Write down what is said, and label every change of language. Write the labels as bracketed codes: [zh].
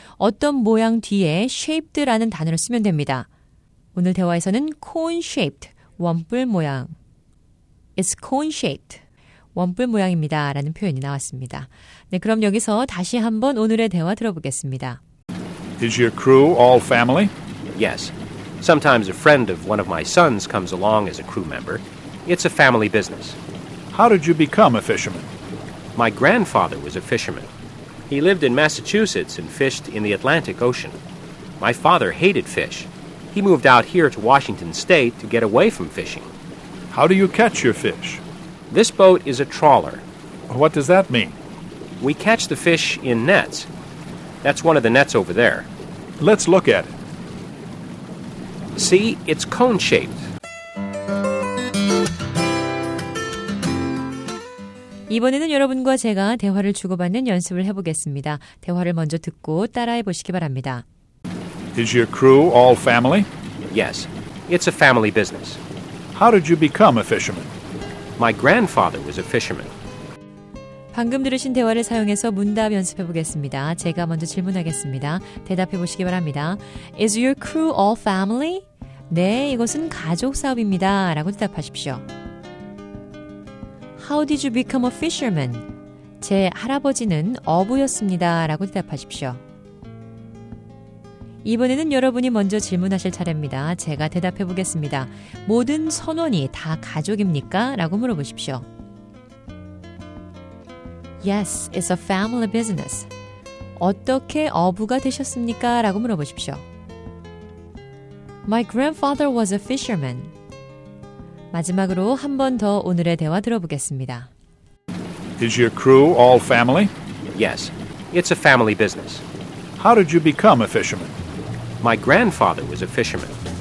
[ko] 어떤 모양 뒤에 shaped라는 단어를 쓰면 됩니다. 오늘 대화에서는 cone-shaped, 원뿔 모양. [en] It's cone-shaped. [ko] 원뿔 모양입니다 라는 표현이 나왔습니다. 네, 그럼 여기서 다시 한번 오늘의 대화 들어보겠습니다. [en] Is your crew all family? Yes. Sometimes a friend of one of my sons comes along as a crew member. It's a family business. How did you become a fisherman? My grandfather was a fisherman. He lived in Massachusetts and fished in the Atlantic Ocean. My father hated fish. He moved out here to Washington State to get away from fishing. How do you catch your fish? This boat is a trawler. What does that mean? We catch the fish in nets. That's one of the nets over there. Let's look at it. See, it's cone-shaped. [ko] 이번에는 여러분과 제가 대화를 주고받는 연습을 해보겠습니다. 대화를 먼저 듣고 따라해 보시기 바랍니다. [en] Is your crew all family? Yes, it's a family business. How did you become a fisherman? My grandfather was a fisherman. [ko] 방금 들으신 대화를 사용해서 문답 연습해 보겠습니다. 제가 먼저 질문하겠습니다. 대답해 보시기 바랍니다. [en] Is your crew all family? [ko] 네, 이것은 가족 사업입니다. 라고 대답하십시오. [en] How did you become a fisherman? [ko] 제 할아버지는 어부였습니다. 라고 대답하십시오. 이번에는 여러분이 먼저 질문하실 차례입니다. 제가 대답해 보겠습니다. 모든 선원이 다 가족입니까? 라고 물어보십시오. [en] Yes, it's a family business. [ko] 어떻게 어부가 되셨습니까? 라고 물어보십시오. [en] My grandfather was a fisherman. [ko] 마지막으로 한 번 더 오늘의 대화 들어보겠습니다. [en] Is your crew all family? Yes, it's a family business. How did you become a fisherman? My grandfather was a fisherman.